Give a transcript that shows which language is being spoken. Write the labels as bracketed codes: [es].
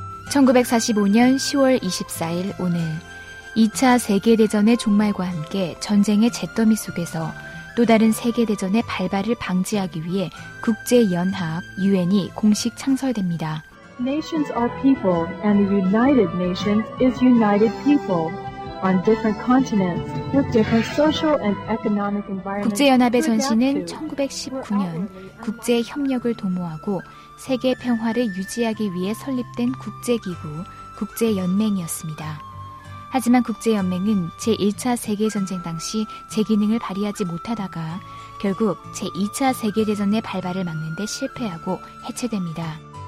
[ko] (1945년 10월 24일) 오늘 (2차) 세계대전의 종말과 함께 전쟁의 잿더미 속에서 또 다른 세계대전의 발발을 방지하기 위해 국제연합 (UN)이 공식 창설됩니다. [en] Nations are people, and the United Nations is united people. On different continents, with different social and economic environments. [ko] 국제연합의 전신은 1919년 국제 협력을 도모하고 세계 평화를 유지하기 위해 설립된 국제기구, 국제연맹이었습니다. 하지만 국제연맹은 제1차 세계전쟁 당시 제기능을 발휘하지 못하다가 결국 제2차 세계대전의 발발을 막는 데 실패하고 해체됩니다.